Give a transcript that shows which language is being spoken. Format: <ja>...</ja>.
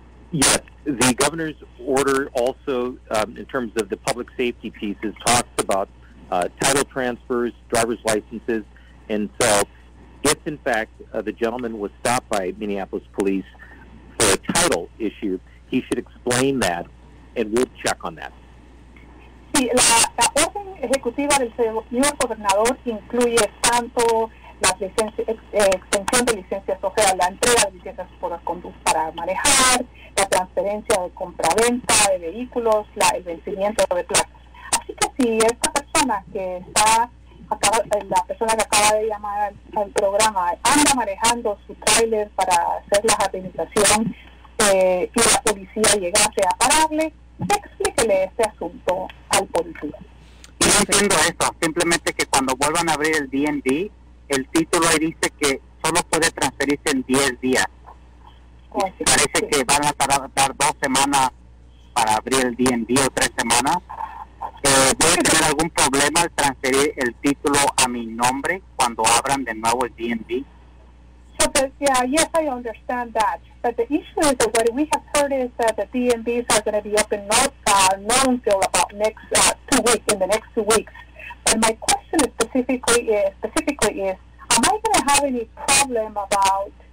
<en>Yes, the governor's order also, in terms of the public safety pieces, talks about title transfers, driver's licenses, and so if, in fact, the gentleman was stopped by Minneapolis police for a title issue, he should explain that, and we'll check on that.</en> <es>Sí, la orden ejecutiva del señor gobernador incluye tanto la extensión de licencias, o sea, la entrega de licencias por conducir para manejar, la transferencia de compraventa de vehículos, el vencimiento de placas. Así que si esta persona que está... la persona que acaba de llamar al programa anda manejando su trailer para hacer la administración y la policía llegase a pararle, explíquele este asunto al policía. Y no entiendo eso, simplemente que cuando vuelvan a abrir el D&D, el título ahí dice que solo puede transferirse en 10 días. Sí, parece sí. Que van a tardar 2 semanas para abrir el D&D o 3 semanas. ¿Puede tener algún problema al transferir el título a mi nombre cuando abran de nuevo el D&D?</es> <en>So yes, I understand that. But the issue is that what we have heard is that the D&Ds are going to be open not until about next 2 weeks, in the next 2 weeks. But my question is specifically is, am I going to have any problem about</en>